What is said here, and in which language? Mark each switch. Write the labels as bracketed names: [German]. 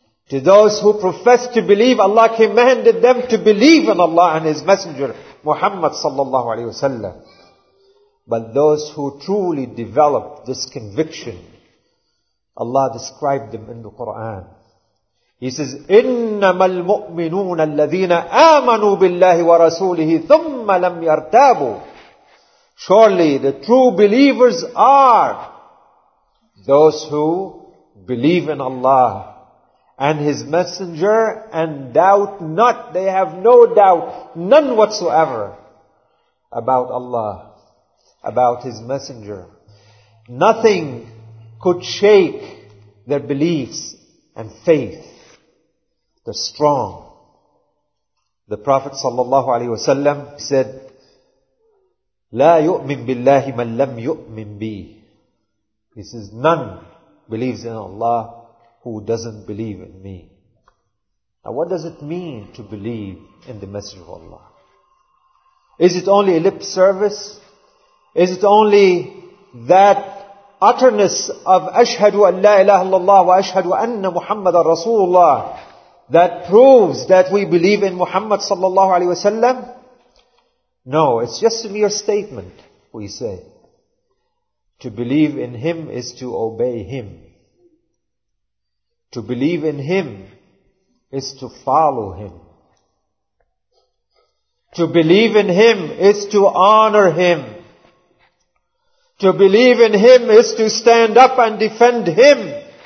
[English] To those who profess to believe, Allah commanded them to believe in Allah and His Messenger, Muhammad sallallahu alayhi wa sallam. But those who truly develop this conviction, Allah described them in the Quran. He says, [Arabic] إِنَّمَا الْمُؤْمِنُونَ الَّذِينَ آمَنُوا بِاللَّهِ وَرَسُولِهِ ثُمَّ لَمْ يَرْتَابُوا. [English] Surely the true believers are those who believe in Allah and His Messenger and doubt not, they have no doubt, none whatsoever about Allah, about His Messenger. Nothing could shake their beliefs and faith. They're strong. The Prophet sallallahu alaihi wasallam said, [Arabic] "La yu'min billahi man lam yu'min bi." [English] He says, none believes in Allah who doesn't believe in me. Now what does it mean to believe in the Messenger of Allah? Is it only lip service? Is it only that utterance of [Arabic] أشهد أن لا إله إلا الله وأشهد أن محمد رسول الله [English] that proves that we believe in Muhammad صلى الله عليه وسلم? No, it's just a mere statement we say. To believe in Him is to obey Him. To believe in Him is to follow Him. To believe in Him is to honor Him. To believe in Him is to stand up and defend Him.